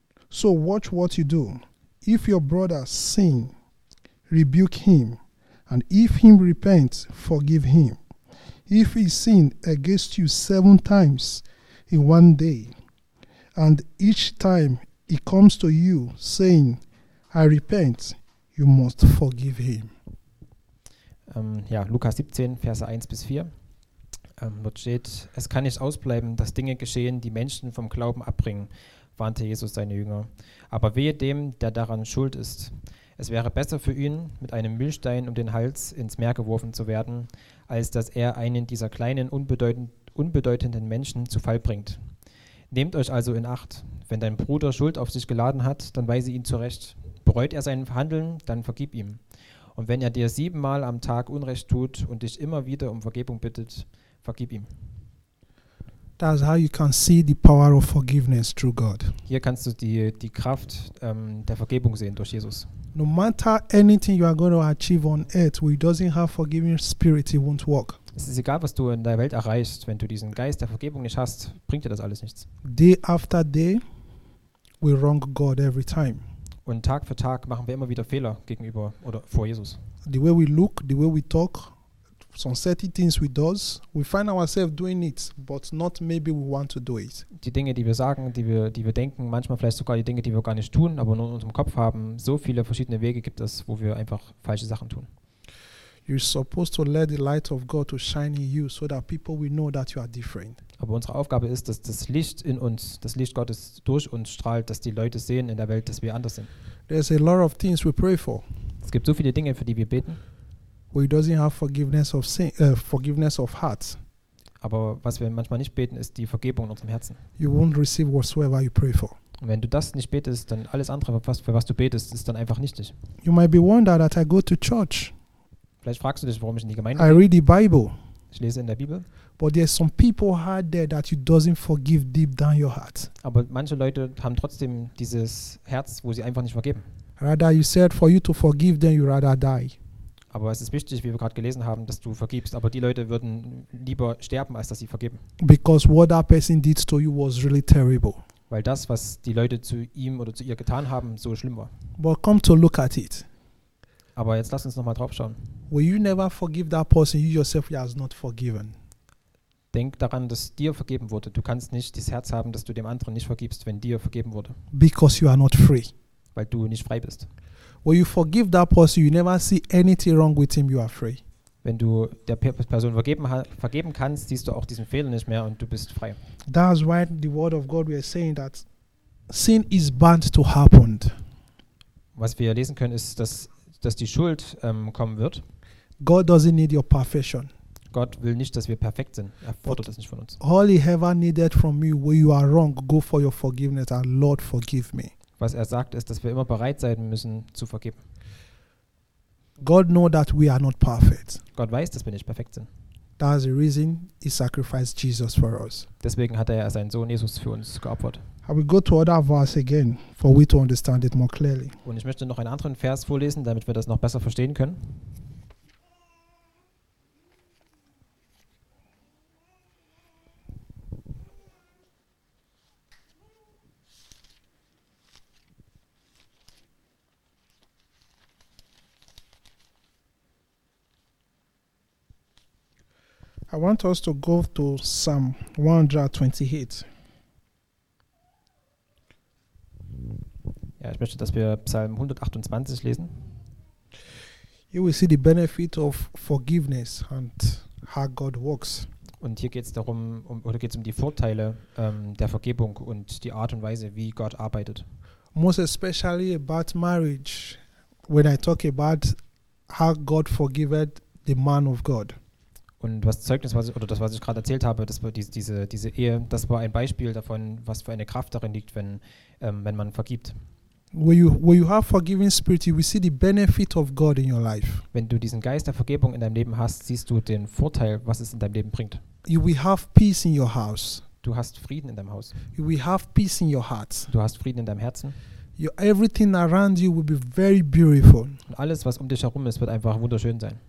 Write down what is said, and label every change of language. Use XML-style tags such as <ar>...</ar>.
<en>So watch what you do. If your brother sins, rebuke him, and if he repents, forgive him. If he sinned against you 7 times in one day, and each time he comes to you saying, I repent, you must forgive him.</en> <de>Lukas 17, Verse 1 bis 4. Dort steht, es kann nicht ausbleiben, dass Dinge geschehen, die Menschen vom Glauben abbringen, warnte Jesus seine Jünger. Aber wehe dem, der daran schuld ist. Es wäre besser für ihn, mit einem Mühlstein um den Hals ins Meer geworfen zu werden, als dass er einen dieser kleinen, unbedeutenden Menschen zu Fall bringt. Nehmt euch also in Acht. Wenn dein Bruder Schuld auf sich geladen hat, dann weise ihn zurecht. Bereut er sein Handeln, dann vergib ihm. Und wenn er dir 7-mal am Tag Unrecht tut und dich immer wieder um Vergebung bittet, vergib ihm.</de> <en>That's how you can see the power of forgiveness through God.</en> <de>Hier kannst du die Kraft der Vergebung sehen durch Jesus.</de> <en>No matter anything you are going to achieve on earth, who doesn't have forgiving spirit, it won't work.</en> <de>Es ist egal, was du in der Welt erreichst, wenn du diesen Geist der Vergebung nicht hast, bringt dir das alles nichts.</de> <en>Day after day, we wrong God every time.</en> <de>Und Tag für Tag machen wir immer wieder Fehler gegenüber oder vor Jesus.</de> <en>The way we look, the way we talk, some certain things we do, we find ourselves doing it, but not maybe we want to do it.</en> <de>Die Dinge, die wir sagen, die wir denken, manchmal vielleicht sogar die Dinge, die wir gar nicht tun, aber nur in unserem Kopf haben, so viele verschiedene Wege gibt es, wo wir einfach falsche Sachen tun.</de> <en>You're supposed to let the light of God to shine in you so that people will know that you are different.</en> <de>Aber unsere Aufgabe ist, dass das Licht in uns, das Licht Gottes durch uns strahlt, dass die Leute sehen in der Welt, dass wir anders sind.</de> <en>There's a lot of things we pray for.</en> <de>Es gibt so viele Dinge, für die wir beten.</de> <en>We doesn't have forgiveness of forgiveness of heart.</en> <de>Aber was wir manchmal nicht beten, ist die Vergebung in unserem Herzen.</de> <en>You won't receive whatsoever you pray for.</en> <de>Und wenn du das nicht betest, dann alles andere, für was du betest, ist dann einfach nichtig.</de> <en>You might be wondering that I go to church.</en> <de>Vielleicht fragst du dich, warum ich in die Gemeinde gehe.</de> <en>I read the Bible.</en> <de>Ich lese in der Bibel.</de> <en>But there's some people out there that you doesn't forgive deep down your heart.</en> <de>Aber manche Leute haben trotzdem dieses Herz, wo sie einfach nicht vergeben.</de> <en>Rather you said for you to forgive then you rather die.</en> <de>Aber es ist wichtig, wie wir gerade gelesen haben, dass du vergibst. Aber die Leute würden lieber sterben, als dass sie vergeben.</de> <en>Because what that person did to you was really terrible.</en> <de>Weil das, was die Leute zu ihm oder zu ihr getan haben, so schlimm war.</de> <en>But come to look at it.</en> <de>Aber jetzt lass uns nochmal drauf schauen.</de> <en>Will you never forgive that person you yourself has not forgiven?</en> <de>Denk daran, dass dir vergeben wurde. Du kannst nicht das Herz haben, dass du dem anderen nicht vergibst, wenn dir vergeben wurde.</de> <en>Because you are not free.</en> <de>Weil du nicht frei bist.</de> <en>When you forgive that person, you never see anything wrong with him, you are free.</en> <de>Wenn du der Person vergeben kannst, siehst du auch diesen Fehler nicht mehr und du bist frei.</de> <en>That's why the word of God we are saying that sin is bound to happen.</en> <de>Was wir lesen können, ist, dass die Schuld kommen wird.</de> <en>God doesn't need your perfection.</en> <de>Gott will nicht, dass wir perfekt sind. Er fordert das nicht von uns.</de> <en>All he ever needed from you, where you are wrong, go for your forgiveness and Lord, forgive me.</en> <de>Was er sagt, ist, dass wir immer bereit sein müssen zu vergeben.</de> <en>God know that we are not perfect.</en> <de>Gott weiß, dass wir nicht perfekt sind.</de> <en>That's the reason he sacrificed Jesus for us.</en> <de>Deswegen hat er seinen Sohn Jesus für uns geopfert.</de> <en>I will go to other verse again for we to understand it more clearly.</en> <de>Und ich möchte noch einen anderen Vers vorlesen, damit wir das noch besser verstehen können.</de> <en>I want us to go to Psalm 128.</en> <de>Ja, ich möchte, dass wir Psalm 128 lesen.</de> <en>You will see the benefit of forgiveness and how God works.</en> <de>Und hier geht es darum, geht es um die Vorteile der Vergebung und die Art und Weise, wie Gott arbeitet.</de> <en>Most especially about marriage, when I talk about how God forgiveth the man of God.</en> <de>Und was Zeugnis, was ich gerade erzählt habe, das war diese Ehe, das war ein Beispiel davon, was für eine Kraft darin liegt, wenn man vergibt.</de> <en>When you have forgiving spirit, you will see the benefit of God in your life.</en> <de>Wenn du diesen Geist der Vergebung in deinem Leben hast, siehst du den Vorteil, was es in deinem Leben bringt.</de> <en>You will have peace in your house.</en> <de>Du hast Frieden in deinem Haus.</de> <en>You will have peace in your heart.</en> <de>Du hast Frieden in deinem Herzen.</de> <en>Everything around you will be very beautiful.</en> <de>Und alles, was um dich herum ist, wird einfach wunderschön sein.</de>